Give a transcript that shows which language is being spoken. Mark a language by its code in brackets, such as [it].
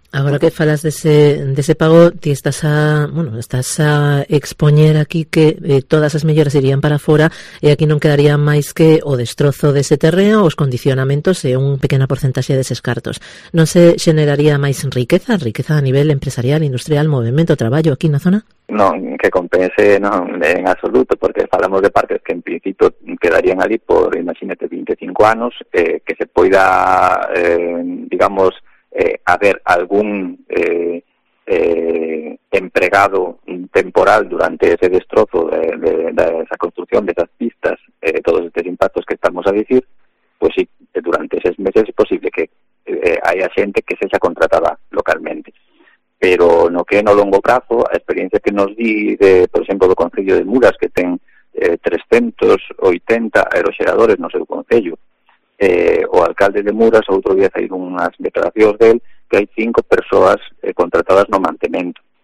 [gl] Agora que falas dese pago, ti estás a expoñer aquí que todas as melloras irían para fora e aquí non quedaría máis que o destrozo dese terreo, os condicionamentos e un pequena porcentaxe deses cartos. Non se xeneraría máis riqueza a nivel empresarial, industrial, movimento, traballo aquí na zona? Non, que compense non, en absoluto, porque falamos de parques que en principio quedarían ali por, imagínate, 25 anos, que se poida, digamos, haber algún empregado temporal durante ese destrozo de esa construcción de esas pistas, todos estos impactos que estamos a decir, [es] pues sí, durante esos meses es posible que haya gente que se haya contratada localmente. [gl] Pero no que en o longo plazo, a experiencia que nos di, de, por ejemplo, do Concello de Muras, que ten 380 aeroxeradores no seu concello, o alcalde de Muras, outro día saíron unhas declaracións del que hai 5 persoas contratadas no mantemento.